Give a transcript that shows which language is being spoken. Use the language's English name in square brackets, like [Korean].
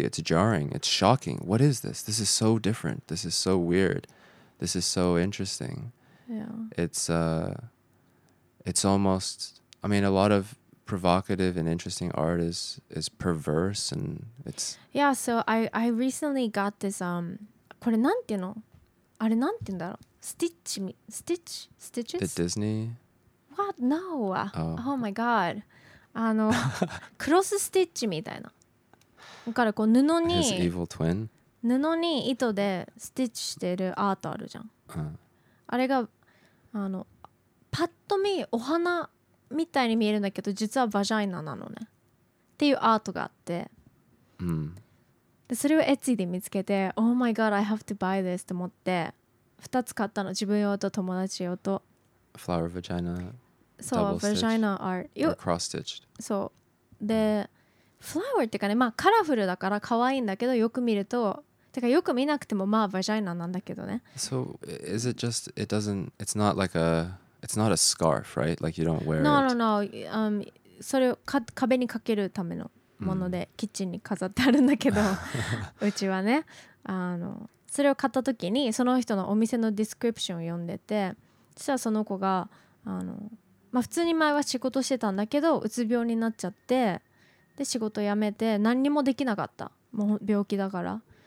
[English] It's jarring. It's shocking. What is this? This is so different. This is so weird. This is so interesting. Yeah. It's almost, I mean, a lot of provocative and interesting art is perverse, and it's... Yeah, so I recently got this, [Japanese] これなんていうの? あれなんていうんだろう? [English] Stitches? The Disney? What? No! Oh, oh my god. [Japanese] あのクロスステッチみたいな。だからこう布に [English] His evil twin? [Japanese] 布に糸でステッチしてるアートあるじゃん。 Uh-huh. あれがあのパッと見お花みたいに見えるんだけど実はバジャイナなのねっていうアートがあって、 mm. でそれをエッチで見つけて [English] Oh my god, I have to buy this [Japanese] と思って2つ買ったの、自分用と友達用と。 [English] Flower vagina? [Japanese] そう、ヴァジャイナアート [English] 。 Cross-stitched。 [Japanese] そう。で、フラワーってかね、まあカラフルだから可愛いんだけど、よく見ると、てかよく見なくても、まあヴァジャイナなんだけどね。 [English] So, is it just, it doesn't, it's not like a, it's not a scarf, right? Like you don't wear no, it? No, no, no. [Japanese] それをか壁にかけるためのもので、mm. キッチンに飾ってあるんだけど、うちはね。それを買った時に、その人のお店のディスクリプションを読んでて、実はその子が、まあ、普通に前は仕事してたんだけどうつ病になっちゃって、で仕事辞めて何にもできなかった、もう病気だから。